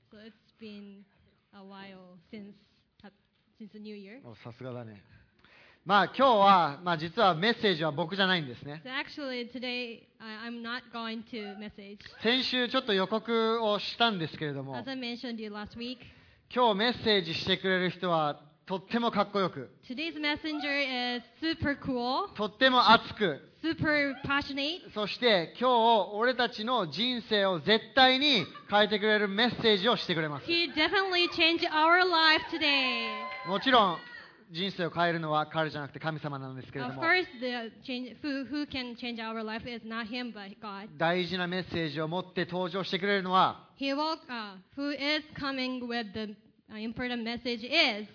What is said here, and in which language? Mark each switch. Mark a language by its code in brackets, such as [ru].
[en] So it's been a while since New Year. [ja] お、さすがだね。まあ今日は、まあ、実はメッセージは僕じゃないんですね。 [en] So、actually, today, I'm not going to message. [ja] 先週ちょっと予告をしたんですけれども、 [en] As I mentioned you last week, [ja] 今日メッセージしてくれる人はとってもかっこよく、 [en] Today's messenger is super cool, [ja] とっても熱く、 [en] super passionate. [ja] そして今日俺たちの人生を絶対に変えてくれるメッセージをしてくれます。 [en] He definitely changed our life today. [ja] もちろん人生を変えるのは彼じゃなくて神様なんですけれども。 [en] Of course, the change, who can change our life is not him, but God. [ja] 大事なメッセージを持って登場してくれるのは、 [en] He will, who is coming with the important message is,